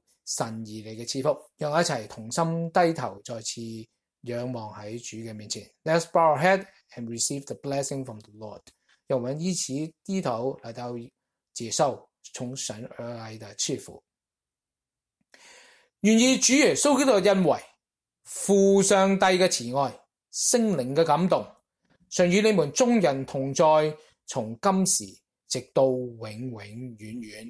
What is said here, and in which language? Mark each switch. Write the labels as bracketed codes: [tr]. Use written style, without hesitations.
[zh] 好，在这个时候让我们先同心的领受神而来的赐福， 让我们一起同心低头再次 仰望在主的面前。 [en] Let's bow our head and receive the blessing from the Lord. [zh] 让我们依此低头来到接受从神而来的赐福。愿意主耶稣基督的恩惠，父上帝的慈爱， 圣灵的感动， 常与你们众人同在， 从今时直到永永远远。